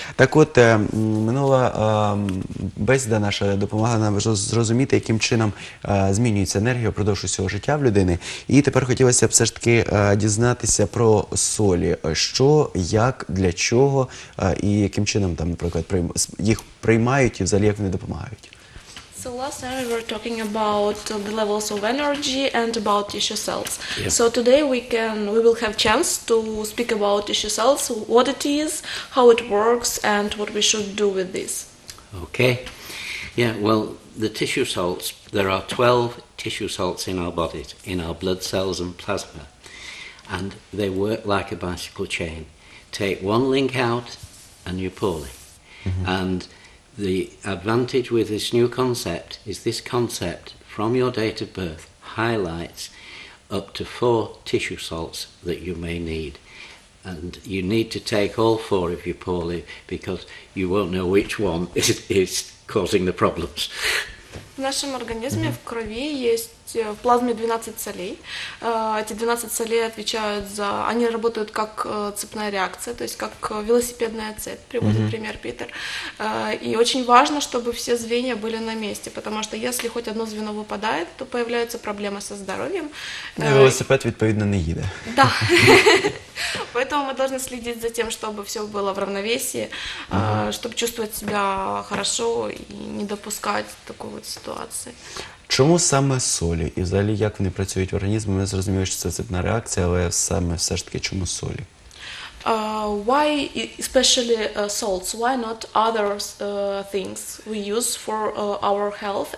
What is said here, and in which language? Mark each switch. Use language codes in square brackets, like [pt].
[uk] Так от, минула бесіда наша допомагала нам зрозуміти, яким чином змінюється енергія впродовж усього життя в людини. І тепер хотілося б все ж таки дізнатися про солі. Що, як, для чого і яким чином, там, наприклад, їх приймають і взагалі як вони допомагають. [en] So last time we were talking about the levels of energy and about tissue cells. Yeah. So today we will have chance to speak about tissue cells, what it is, how it works, and what we should do with this. Okay. Yeah, well, the tissue salts, there are 12 tissue salts in our bodies, in our blood cells and plasma. And they work like a bicycle chain. Take one link out and you pull it. Mm-hmm. And the advantage with this new concept is this concept from your date of birth highlights up to 4 tissue salts that you may need. And you need to take all 4 if you're poorly, because you won't know which one is causing the problems. [uk] В нашому організмі в крові є в плазмі 12 солей. Ці 12 солей відповідають за... Вони працюють як цепна реакція, тобто як велосипедна цепь, приводить пример Пітер. І дуже важливо, щоб всі звіння були на місці, тому що якщо хоч одне звіно випадає, то з'являються проблеми зі здоров'ям. Велосипед, відповідно, не їде. Так. Тому ми повинні слідити за тим, щоб все було в рівновесі, щоб відчувати себе добре і не допускати такої ситуації. Чому саме солі? І взагалі, як вони працюють в організмі? Ми зрозуміли, що це цепна реакція, але саме все ж таки, чому солі? [en] Why especially salts? Why not other things we use for our health?